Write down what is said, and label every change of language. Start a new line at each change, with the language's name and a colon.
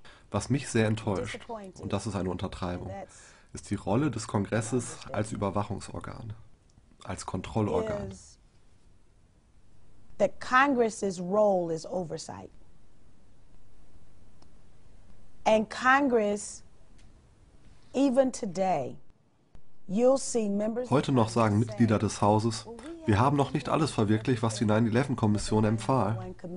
German: Was mich sehr enttäuscht, und das ist eine Untertreibung, ist die Rolle des Kongresses als Überwachungsorgan, als Kontrollorgan.
English: That Congress's role is oversight. And Congress, even today, you'll see members.
German: Heute noch sagen Mitglieder des Hauses, wir haben noch nicht alles verwirklicht, was die 9/11-Kommission empfahl.